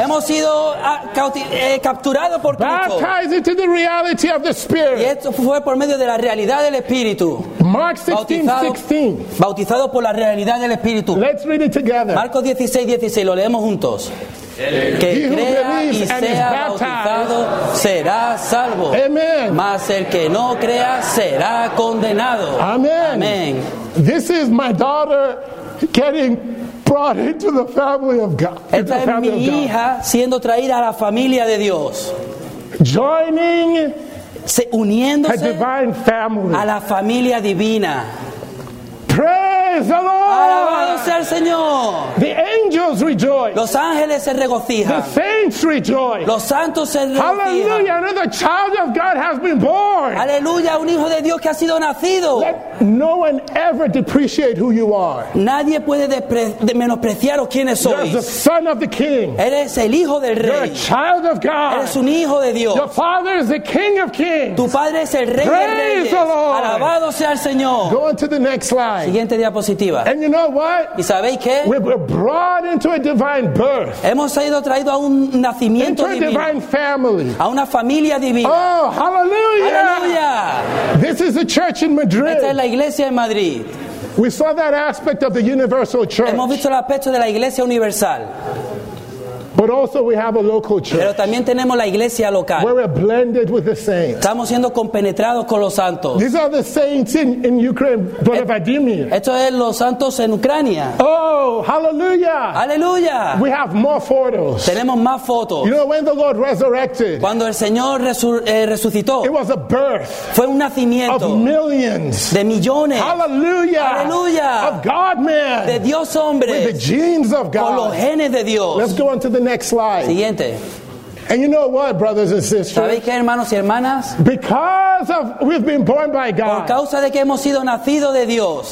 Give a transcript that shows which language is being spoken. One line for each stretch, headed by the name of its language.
Spanish: Hemos sido capturados por Cristo.
English: Baptized into the reality of the Spirit.
Spanish: Y esto fue por medio de la realidad del Espíritu.
English: Mark 16:16.
Spanish: Bautizado por la realidad del Espíritu.
English: Let's read it together.
Spanish: Marcos 16:16. Lo leemos juntos. Que crea y sea bautizado será salvo. Amen. Mas el que no crea será condenado. Amen. Amen.
English: This is my daughter getting brought into the family of God.
Spanish: Esta es mi hija siendo traída a la familia de Dios.
English: Joining
Spanish: se uniéndose
English: a divine family.
Spanish: A la familia divina.
English: Praise the Lord.
Spanish: Alabado sea el Señor.
English: The angels rejoice.
Spanish: Los ángeles se regocijan.
English: The saints rejoice.
Spanish: Los santos se regocijan.
English: Hallelujah, another child of God has been born.
Spanish: Aleluya, un hijo de Dios que ha sido nacido.
English: Let no one ever depreciate who you are.
Spanish: Nadie puede menospreciar o quienes sois.
English: You're the son of the king.
Spanish: Eres el hijo del rey.
English: You're a child of God.
Spanish: Eres un hijo de Dios.
English: Your father is the king of kings.
Spanish: Tu padre es el rey de reyes.
English: Praise the Lord.
Spanish: Alabado sea el Señor.
English: Go on to the next slide.
Spanish: Siguiente diapositiva.
English: And you know what?
Spanish: ¿Y sabéis qué?
English: We're brought into a divine birth.
Spanish: Hemos sido traídos a un nacimiento
English: into
Spanish: divino.
English: A divine family.
Spanish: A una familia divina.
English: Oh, hallelujah! Hallelujah! This is the church in Madrid.
Spanish: Esta es la iglesia en Madrid.
English: We saw that aspect of the universal church.
Spanish: Hemos visto el aspecto de la iglesia universal.
English: But also we have a local church.
Spanish: Pero también tenemos la iglesia local.
English: Where we're blended with the saints.
Spanish: Estamos siendo compenetrados con los santos.
English: These are the saints in Ukraine, Brother Vladimir.
Spanish: Esto es los santos en Ucrania.
English: Oh, hallelujah! Hallelujah! We have more photos.
Spanish: Tenemos más fotos.
English: You know when the Lord resurrected?
Spanish: Cuando el Señor resucitó.
English: It was a birth.
Spanish: Fue un nacimiento.
English: Of millions.
Spanish: De millones. Hallelujah! Hallelujah!
English: Of God, man.
Spanish: De Dios, hombre.
English: With the genes of God.
Spanish: Con los genes de Dios.
English: Let's go on to the next slide.
Spanish: Siguiente.
English: And you know what, brothers and sisters?
Spanish: ¿Sabéis qué, hermanos y hermanas?
English: Because of we've been born by God.
Spanish: Por causa de que hemos sido nacido de Dios.